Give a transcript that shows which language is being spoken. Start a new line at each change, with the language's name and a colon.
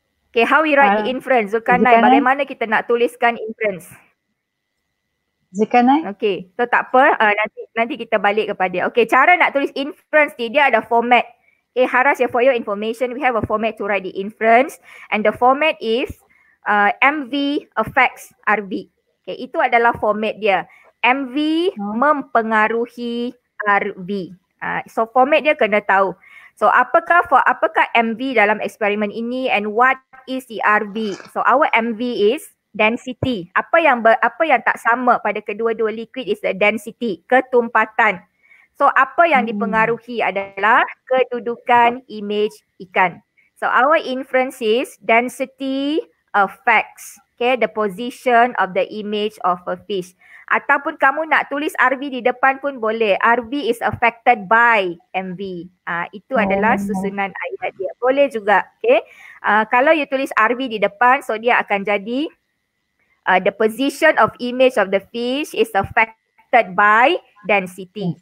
English: Okay, how we write the inference? Zulkarnain,
Malay: bagaimana kita nak tuliskan
English: inference? Zulkarnain?
Malay: Okay, so tak apa. Nanti kita balik kepada. Okay, cara nak tulis inference ni, dia ada format.
English: Okay, Haras, for your information, we have a format to write the inference. And the format is MV affects RB.
Malay: Okay, itu adalah format dia. MV mempengaruhi RB. So format dia kena tahu. So apakah MV dalam eksperimen ini
English: and what is the RV? So our MV is density.
Malay: Apa yang tak sama pada kedua-dua liquid
English: is the density,
Malay: ketumpatan. So apa yang dipengaruhi adalah kedudukan image ikan.
English: So our inference is density affects, okay, the position of the image of a fish.
Malay: Ataupun kamu nak tulis RV di depan pun boleh.
English: RV is affected by MV.
Malay: Itu adalah susunan ayat dia. Boleh juga. Okay. Kalau you tulis RV di depan, so dia akan jadi
English: the position of image of the fish is affected by density.